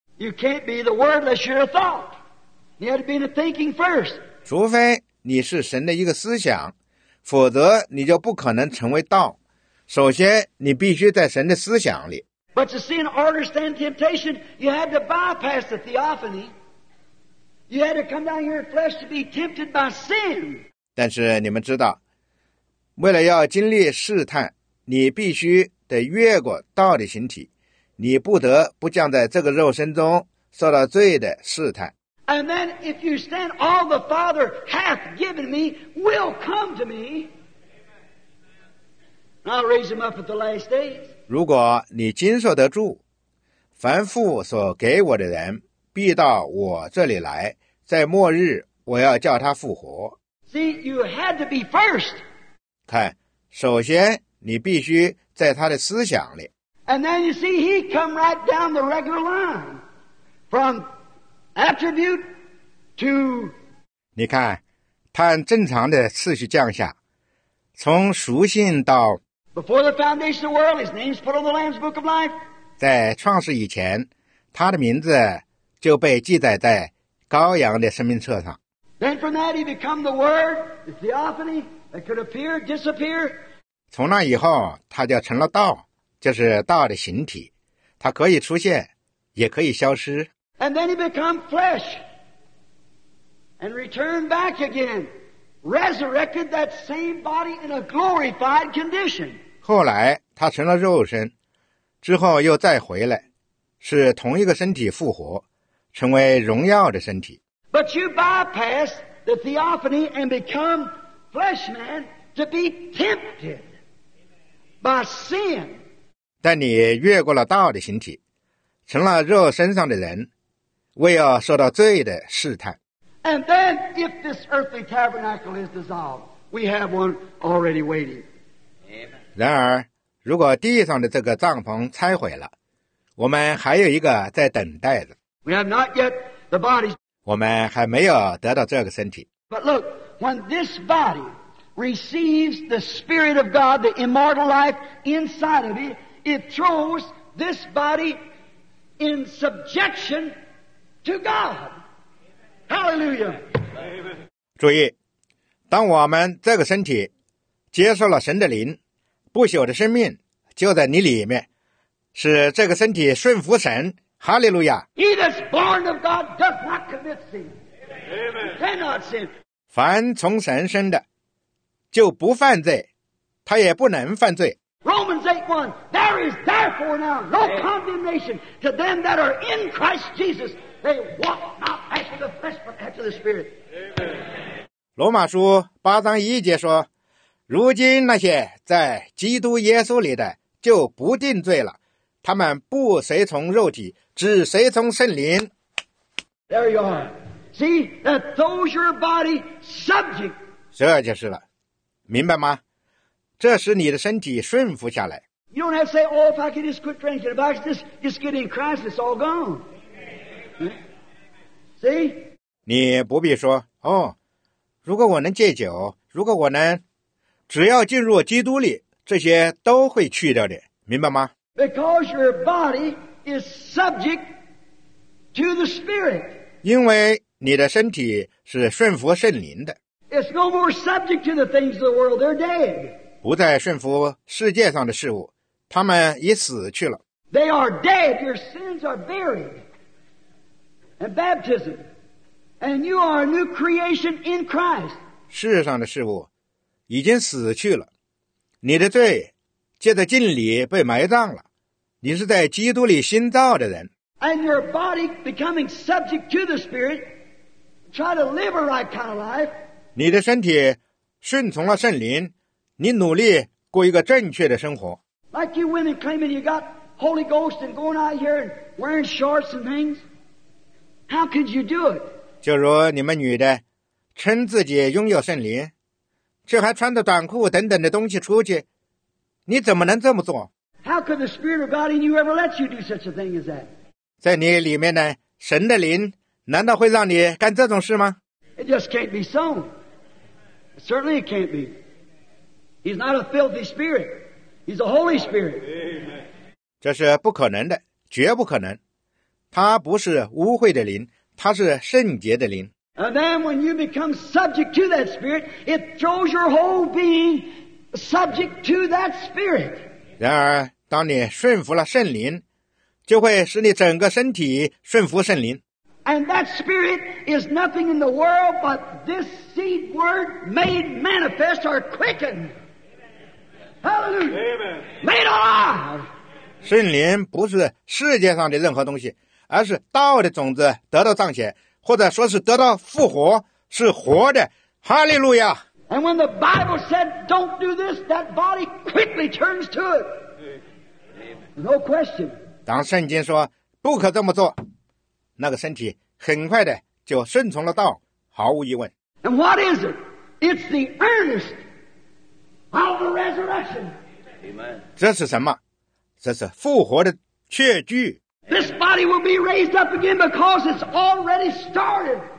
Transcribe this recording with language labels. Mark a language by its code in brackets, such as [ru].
[en] You can't be the word unless you're a thought. You had to be the thinking first. [zh] 除非你是神的一个思想，否则你就不可能成为道。首先，你必须在神的思想里。 [en] But to see an artist and temptation, you had to bypass the theophany. You had to come down here in flesh to be tempted by sin. [zh] 但是你们知道，为了要经历试探，你必须得越过道的形体，你不得不降在这个肉身中受到罪的试探。 [en] And then if you stand, all the Father hath given me will come to me. And I'll raise him up at the last days. [zh] 如果你经受得住，凡父所给我的人必到我这里来，在末日我要叫他复活。 [en] See, you had to be first. [zh] 看，首先你必须在他的思想里。 [en] And then you see he come right down the regular line from attribute to [zh] 你看，他按正常的次序降下，从属性到 [en] Before the foundation of the world, his name is put on the Lamb's Book of Life. [zh] 在创世以前，他的名字就被记载在羔羊的生命册上。 [en] Then from that he became the Word, the theophany that could appear, disappear. [zh] 从那以后他就成了道，就是道的形体，他可以出现也可以消失。 [en] And then he become flesh and return back again, resurrected that same body in a glorified condition. [zh] 后来他成了肉身，之后又再回来，是同一个身体复活，成为荣耀的身体。 [en] But you bypass the theophany and become flesh man to be tempted by sin. [zh] 但你越过了道的形体，成了肉身上的人，为要受到罪的试探。 [en] And then if this earthly tabernacle is dissolved, we have one already waiting. Amen. [zh] 然而如果地上的这个帐篷拆毁了，我们还有一个在等待着。 [en] We have not yet the body. [zh] 我们还没有得到这个身体。 [en] But look, when this body receives the Spirit of God, the immortal life inside of it, it throws this body in subjection to God. Hallelujah. [zh] 注意，当我们这个身体接受了神的灵，不朽的生命就在你里面，使这个身体顺服神。哈利路亚。 [en] He that's born of God doth not commit sin. Amen. He cannot sin. [zh] 凡从神生的就不犯罪，他也不能犯罪。 [en] Romans 8:1, there is therefore now no condemnation to them that are in Christ Jesus. They walk not after the flesh, but after the Spirit. Amen. [zh] 罗马书8:1说，如今那些在基督耶稣里的就不定罪了，他们不随从肉体，只随从圣灵。 [en] There you are. See, that throws your body subject. [zh] 这就是了，明白吗？这使你的身体顺服下来。 [en] You don't have to say, "Oh, if I could just quit drinking, if I could just get in Christ, it's all gone." See? [zh] 你不必说，哦，如果我能戒酒，如果我能，只要进入基督里，这些都会去掉的，明白吗？ [en] Because your body is subject to the Spirit. [zh] 因为你的身体是顺服圣灵的。 [en] It's no more subject to the things of the world. They're dead. [zh] 不再顺服世界上的事物，他们已死去了。 [en] They are dead. Your sins are buried. And baptism. And you are a new creation in Christ. [zh] 世上的事物已经死去了，你的罪借着敬礼被埋葬了，你是在基督里新造的人。 [en] And your body becoming subject to the Spirit, try to live a right kind of life. [zh] 你的身体顺从了圣灵，你努力过一个正确的生活。 [en] Like you women claiming you got Holy Ghost and going out here and wearing shorts and things, how could you do it? [zh] 就如你们女的称自己拥有圣灵，却还穿着短裤等等的东西出去，你怎么能这么做？ [en] How could the Spirit of God in you ever let you do such a thing as that? [zh] 在你里面呢，神的灵难道会让你干这种事吗？ [en] It just can't be so. Certainly it can't be. He's not a filthy spirit. He's a holy spirit. [zh] 这是不可能的，绝不可能。他不是污秽的灵，他是圣洁的灵。 [en] And then when you become subject to that spirit, it throws your whole being subject to that spirit. [zh] 然而当你顺服了圣灵，就会使你整个身体顺服圣灵。 [en] And that spirit is nothing in the world but this seed word made manifest or quickened. Hallelujah. Amen. Made alive. [zh] 圣灵不是世界上的任何东西，而是道的种子得到彰显，或者说是得到复活，是活的。哈利路亚。 [en] And when the Bible said, don't do this, that body quickly turns to it. No question. [zh] 当圣经说不可这么做，那个身体很快的就顺从了道，毫无疑问。 [en] And what is it? It's the earnest of the resurrection. Amen. [zh] 这是什么？这是复活的确据。 [en] This body will be raised up again because it's already started.